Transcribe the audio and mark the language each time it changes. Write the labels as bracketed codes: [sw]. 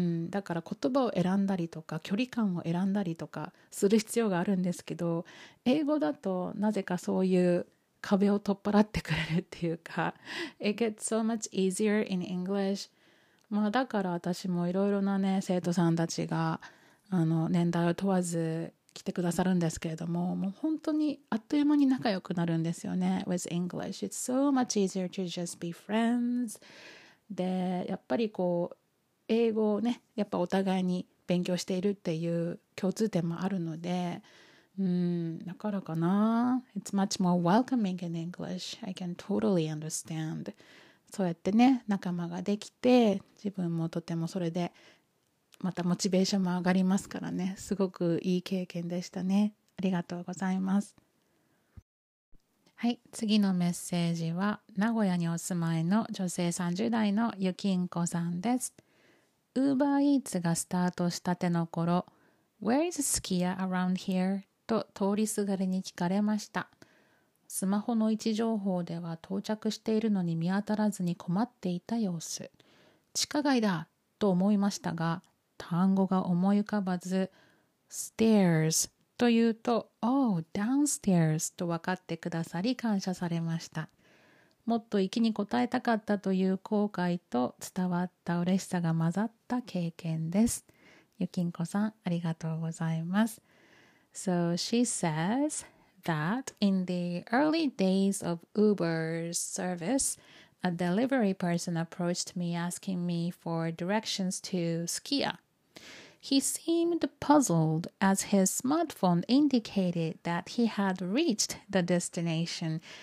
[ja] だから言葉を選んだりとか距離感を選んだりとかする必要があるんですけど、英語だとなぜかそういう壁を取っ払ってくれるっていうか、 [en] It gets so much easier in English。 [ja] まあだから私もいろいろなね、生徒さんたちが年代を問わず来てくださるんですけれども、もう本当にあっという間に仲良くなるんですよね。 [en] With English It's so much easier to just be friends。 [ja] でやっぱりこう英語をね、やっぱお互いに勉強しているっていう共通点もあるので、だからかな。 [en] It's much more welcoming in English. I can totally understand. [ja] そうやってね、仲間ができて、自分もとてもそれでまたモチベーションも上がりますからね。すごくいい経験でしたね。ありがとうございます。はい、次のメッセージは名古屋にお住まいの女性30代のゆきんこさんです。 [en] Uber Eats [ja] がスタートしたての頃、 [en] Where is Skia around here? [ja] と通りすがりに聞かれました。スマホの位置情報では到着しているのに見当たらずに困っていた様子。地下街だと思いましたが、単語が思い浮かばず、 Stairs というと [en] Oh, downstairs [ja] と分かってくださり感謝されました。もっと息に応えたかったという後悔と伝わった嬉しさが混ざった経験です。ゆきんこさん、ありがとうございます。 [en] So she says that in the early days of Uber's service, a delivery person approached me asking me for directions to Skia. He seemed puzzled as his smartphone indicated that he had reached the destination.